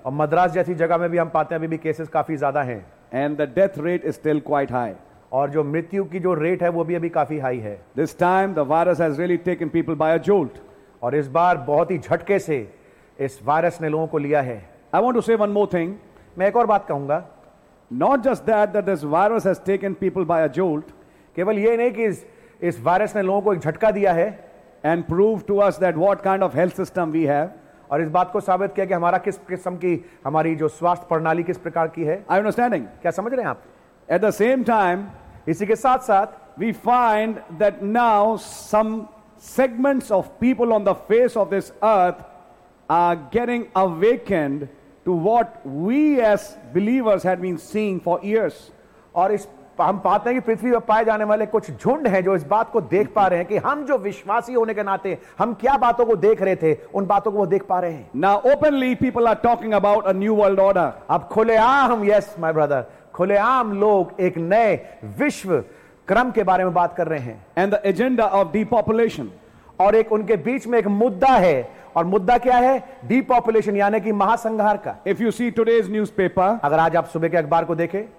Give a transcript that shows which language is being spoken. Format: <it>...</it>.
<hi>और मद्रास जैसी जगह में भी हम पाते हैं अभी भी केसेस काफी ज्यादा हैं.</hi> <en>And the death rate is still quite high.</en> <hi>और जो मृत्यु की जो रेट है वो भी अभी काफी हाई है.</hi> <en>This time the virus has really taken people by a jolt.</en> <hi>और इस बार बहुत ही झटके से इस वायरस ने लोगों को लिया है.</hi> <en>I want to say one more thing.</en> <hi>मैं एक और बात कहूंगा.</hi> <en>Not just that this virus has taken people by a jolt.</en> <hi>केवल ये नहीं कि इस वायरस ने लोगों को एक झटका दिया है.</hi> <en>And prove to us that what kind of health system we have.</en> <hi>और इस बात को साबित किया कि हमारा किस किस्म की हमारी जो स्वास्थ्य प्रणाली किस प्रकार की है.</hi> <en>Are you understanding?</en> <hi>क्या समझ रहे हैं आप?</hi> <en>At the same time,</en> <hi>इसी के साथ साथ,</hi> <en>we find that now some segments of people on the face of this earth are getting awakened to what we as believers had been seeing for years.</en> <hi>और इस हम पाते हैं कि पृथ्वी पर पाए जाने वाले कुछ झुंड हैं जो इस बात को देख पा रहे हैं कि हम जो विश्वासी होने के नाते हम क्या बातों को देख रहे थे उन बातों को वो देख पा रहे हैं.</hi> <en>Now openly people are talking about a new world order.</en> <hi>अब खुलेआम,</hi> <en>yes my brother.</en> <hi>खुलेआम लोग एक नए विश्व क्रम के बारे में बात कर रहे हैं.</hi> <en>And the agenda of depopulation.</en> <hi>और एक उनके बीच में एक मुद्दा है. और मुद्दा क्या है? डीपॉपुलेशन यानी कि महासंहार का.</hi> <en>If you see today's newspaper.</en> <hi>अगर आज आप सुबह के अखबार को देखें.</hi>